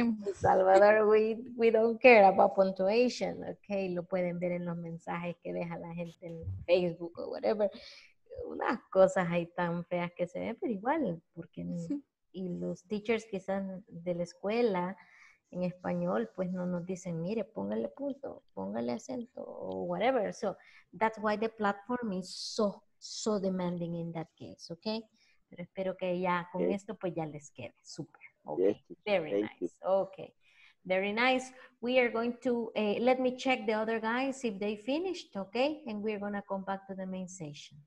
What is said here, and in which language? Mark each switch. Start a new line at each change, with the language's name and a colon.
English: En El Salvador, we don't care about punctuation, okay?
Spanish: Lo pueden ver en los mensajes que deja la gente en Facebook o whatever. Unas cosas ahí tan feas que se ven, pero igual, porque y los teachers quizás de la escuela en español, pues no nos dicen, mire, póngale punto, póngale acento, o whatever.
English: So, that's why the platform is so demanding in that case, okay?
Spanish: Pero espero que ya con esto, pues ya les quede.
English: Super. Okay. Yes. Very nice. Okay. Very nice. We are going to, let me check the other guys if they finished, okay? And we're going to come back to the main session.